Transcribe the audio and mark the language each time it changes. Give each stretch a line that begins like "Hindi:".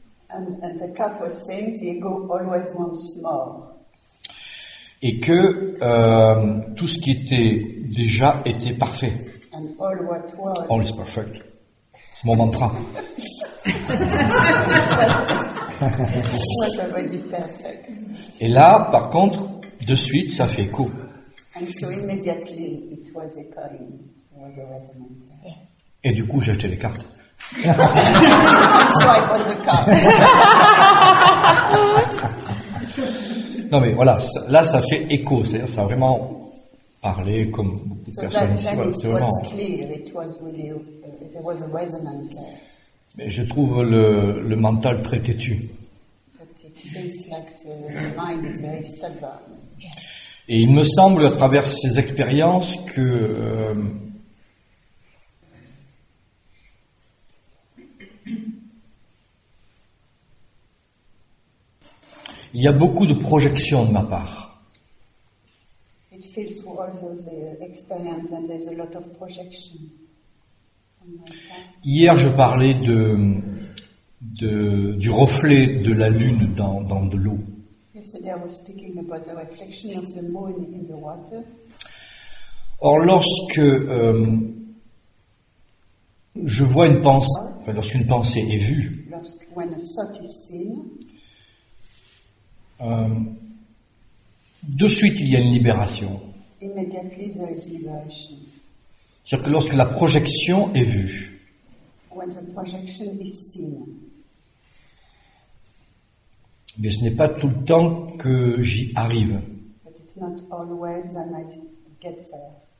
English: And the cat was saying the ego always wants more.
French: Et que tout ce qui était déjà était parfait.
English: And all what was. All is perfect.
French: C'est mon mantra.
English: Was already perfect.
French: Et là, par contre, de suite, ça fait écho.
English: And so immediately it was echoing. There was a resonance. Yes.
French: Et du coup, j'ai acheté les cartes.
English: So I was a card.
French: Non mais voilà, là ça fait écho, c'est-à-dire ça a vraiment parlé comme beaucoup de personnes ici.
English: It was clear, it was really, there was a resonance there.
French: Mais je trouve le mental très têtu.
English: But it feels like the mind is very stubborn.
French: Et il me semble à travers ces expériences que il y a beaucoup de projections de ma part.
English: It feels also the experience and there's a lot of projection.
French: Hier, je parlais du reflet de la lune dans de l'eau.
English: Yesterday, I was speaking about the reflection of the moon in the water.
French: Or, lorsque je vois une pensée, lorsqu'une pensée est vue,
English: when a thought is seen,
French: De suite, il y a une libération.
English: Immediately, there is liberation.
French: C'est-à-dire que lorsque la projection est vue,
English: when the projection is seen.
French: Mais ce n'est pas tout le temps que j'y arrive.
English: But it's not always that I get there.